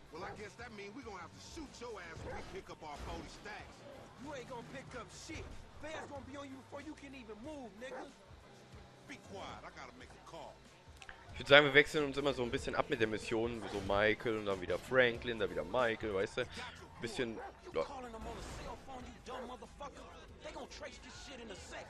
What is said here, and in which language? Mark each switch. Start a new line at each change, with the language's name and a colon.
English: Well, I guess that means we're gonna have to shoot your ass when we pick up our 40 stacks. You ain't gonna pick up shit. Fast gonna be on you before you can even move, nigga. Be quiet, I gotta make a call.
German: Ich würde sagen, wir wechseln uns immer so ein bisschen ab mit der Mission. So Michael und dann wieder Franklin, dann wieder Michael, weißt du? Bisschen.
English: You calling them on the cell phone, you dumb motherfucker? They gonna trace this shit in a sec.